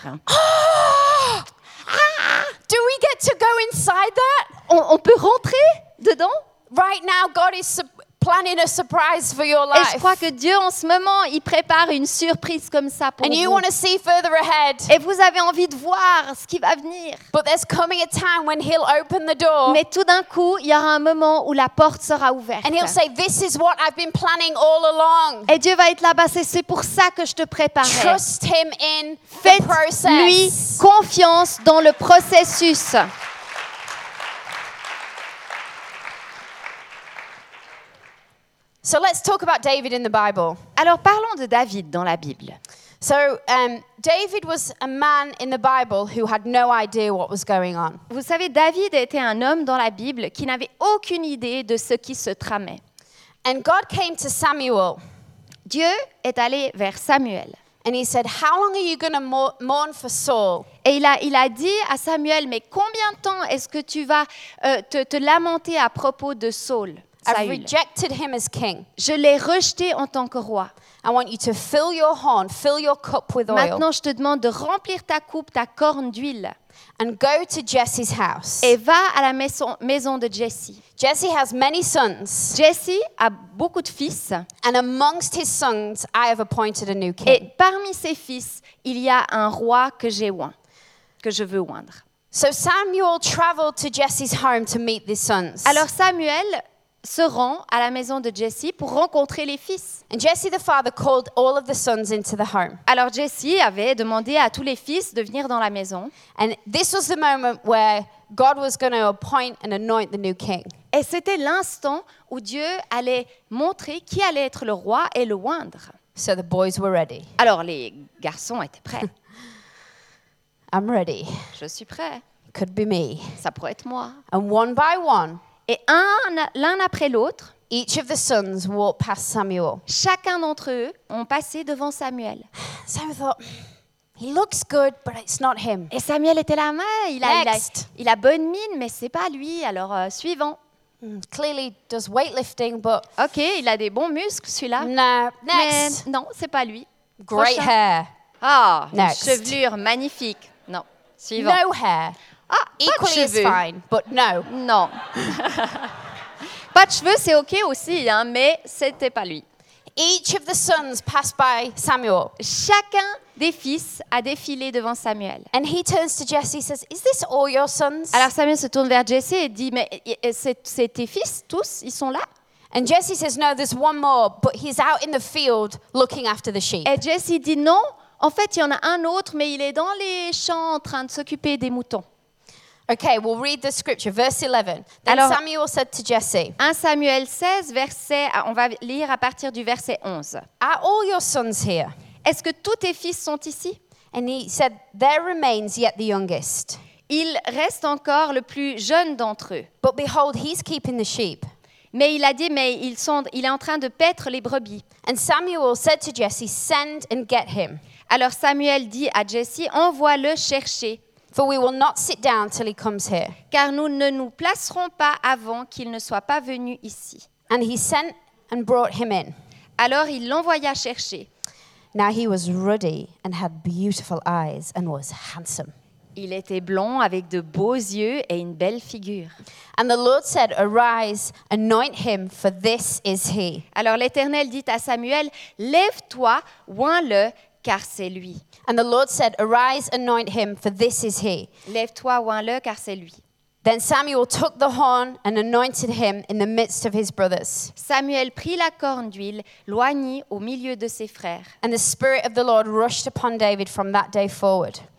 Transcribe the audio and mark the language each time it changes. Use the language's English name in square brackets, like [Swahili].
[English] Do we get to go inside that? [French] On peut rentrer dedans? [English] Right now, God is planning a surprise for your life. [French] Et je crois que Dieu en ce moment, il prépare une surprise comme ça pour [English] and [French] vous. [English] And you want to see further ahead. [French] Et vous avez envie de voir ce qui va venir. [English] But there's coming a time when he'll open the door. [French] Mais tout d'un coup, il y aura un moment où la porte sera ouverte. [English] And he'll say, "This is what I've been planning all along." [French] Et Dieu va être là-bas, c'est pour ça que je te préparais. [English] Trust him in [French] Faites [English] the process. [French] Lui confiance dans le processus. [English] So let's talk about David in the Bible. [French] Alors parlons de David dans la Bible. [English] So David was a man in the Bible who had no idea what was going on. [French] Vous savez, David était un homme dans la Bible qui n'avait aucune idée de ce qui se tramait. [English] And God came to Samuel. [French] Dieu est allé vers Samuel. [English] And he said, "How long are you going to mourn for Saul?" [French] Et il a dit à Samuel, mais combien de temps est-ce que tu vas te lamenter à propos de Saul? [English] I rejected him as king. [French] Je l'ai rejeté en tant que roi. [English] I want you to fill your horn, fill your cup with oil. [French] Maintenant, je te demande de remplir ta coupe, ta corne d'huile. [English] And go to Jesse's house. [French] Et va à la maison de Jesse. [English] Jesse has many sons. [French] Jesse a beaucoup de fils. [English] And amongst his sons, I have appointed a new king. [French] Et parmi ses fils, il y a un roi que j'ai oint, que je veux oindre. [English] So Samuel traveled to Jesse's home to meet the sons. [French] Alors Samuel se rend à la maison de Jesse pour rencontrer les fils. [English] And Jesse the father called all of the sons into the home. [French] Alors Jesse avait demandé à tous les fils de venir dans la maison. [English] And this was the moment where God was going to appoint and anoint the new king. [French] Et c'était l'instant où Dieu allait montrer qui allait être le roi et le oindre. [English] So the boys were ready. [French] Alors les garçons étaient prêts. [English] I'm ready. [French] Je suis prêt. [English] Could be me. [French] Ça pourrait être moi. [English] And one by one. [French] Et l'un après l'autre, [English] each of the sons walked past Samuel. [French] Chacun d'entre eux ont passé devant Samuel. [English] Samuel thought, he looks good, but it's not him. [French] Et Samuel était là, mais il a bonne mine, mais c'est pas lui. Alors suivant. [English] Clearly does weightlifting, but [French] ok, il a des bons muscles celui-là. [English] No, next. [French] Mais, non, c'est pas lui. [English] Great hair. [French] Ah, une chevelure magnifique. Non, suivant. [English] No hair. Ah, equally [French] pas de cheveux. [English] Is fine, but no. [French] Non. Pas de cheveux, c'est ok aussi, hein, mais c'était pas lui. [English] Each of the sons passed by Samuel. [French] Chacun des fils a défilé devant Samuel. [English] And he turns to Jesse and says, "Is this all your sons?" [French] Alors Samuel se tourne vers Jesse et dit, mais c'est tes fils tous, ils sont là? [English] And Jesse says, "No, there's one more, but he's out in the field looking after the sheep." [French] Et Jesse dit, non, en fait, il y en a un autre, mais il est dans les champs en train de s'occuper des moutons. [English] Okay, we'll read the scripture, verse 11. Then [French] alors, [English] Samuel said to Jesse. [French] 1 Samuel 16, verset. On va lire à partir du verset 11. [English] Are all your sons here? [French] Est-ce que tous tes fils sont ici? [English] And he said, there remains yet the youngest. [French] Il reste encore le plus jeune d'entre eux. [English] But behold, he's keeping the sheep. [French] Mais il a dit, mais il est en train de paître les brebis. [English] And Samuel said to Jesse, send and get him. [French] Alors Samuel dit à Jesse, envoie-le chercher. [English] For we will not sit down till he comes here. [French] Car nous ne nous placerons pas avant qu'il ne soit pas venu ici. [English] And he sent and brought him in. [French] Alors il l'envoya chercher. [English] Now he was ruddy and had beautiful eyes and was handsome. [French] Il était blond avec de beaux yeux et une belle figure. [English] And the Lord said, "Arise, anoint him, for this is he." [French] Alors l'Éternel dit à Samuel, lève-toi, oins-le. Car c'est lui. [English] And the Lord said, "Arise, anoint him, for this is he." [French] Lève-toi, oins-le, car c'est lui. [English] Then Samuel took the horn and anointed him in the midst of his brothers. [French] Samuel prit la corne d'huile, l'oignit au milieu de ses frères. [English] And the Spirit of the Lord rushed upon David from that day forward.